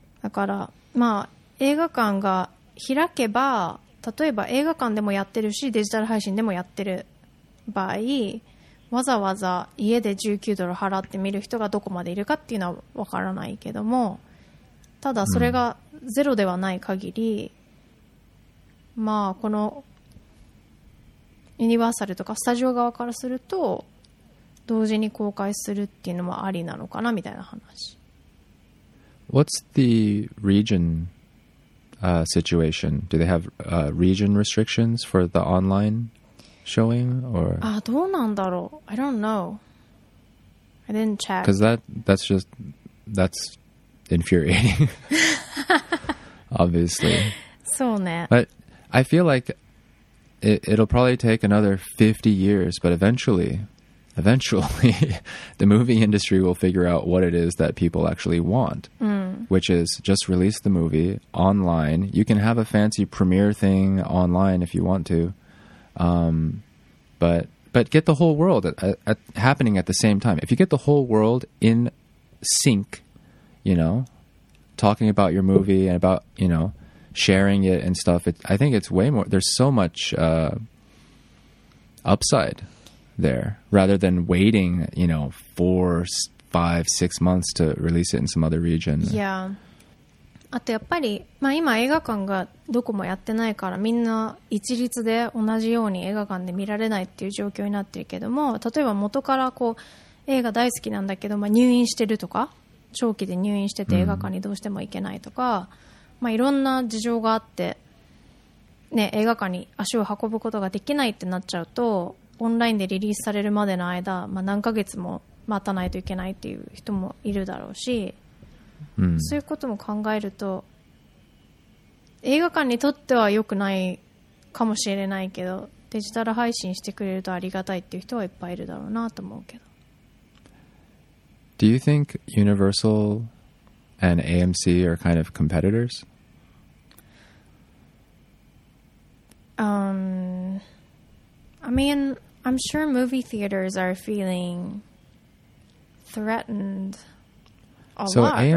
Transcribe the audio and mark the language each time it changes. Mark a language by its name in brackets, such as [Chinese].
[Japanese] だから、まあ、映画館が開けば例えば映画館でもやってるしデジタル配信でもやってる場合わざわざ家で19ドル払って見る人がどこまでいるかっていうのは分からないけどもただそれがゼロではない限り、うん、まあこのユニバーサルとかスタジオ側からすると同時に公開するっていうのもありなのかなみたいな話。 [English] What's the region situation? Do they have region restrictions for the onlineShowing or? Ah, [Japanese] どうなんだろう? [English] I don't know. I didn't check. Because that's infuriating. Obviously. [Japanese] そうね。 [English] But I feel like it'll probably take another 50 years, but eventually, the movie industry will figure out what it is that people actually want,、 mm. which is just release the movie online. You can have a fancy premiere thing online if you want to. But get the whole world at happening at the same time. If you get the whole world in sync, you know, talking about your movie and about, you know, sharing it and stuff, I think it's way more, there's so much upside there rather than waiting, you know, 4, 5, 6 months to release it in some other region. Yeah. [Japanese] あとやっぱり、まあ、今映画館がどこもやってないからみんな一律で同じように映画館で見られないっていう状況になってるけども例えば元からこう映画大好きなんだけど、まあ、入院してるとか長期で入院してて映画館にどうしても行けないとか、うんまあ、いろんな事情があって、ね、映画館に足を運ぶことができないってなっちゃうとオンラインでリリースされるまでの間、まあ、何ヶ月も待たないといけないっていう人もいるだろうしうん、そういうことも考えると映画館にとっては良くないかもしれないけどデジタル配信してくれるとありがたいっていう人はいっぱいいるだろうなと思うけど [English] Do you think Universal and AMC are kind of competitors? I'm sure movie theaters are feeling threatened AMC...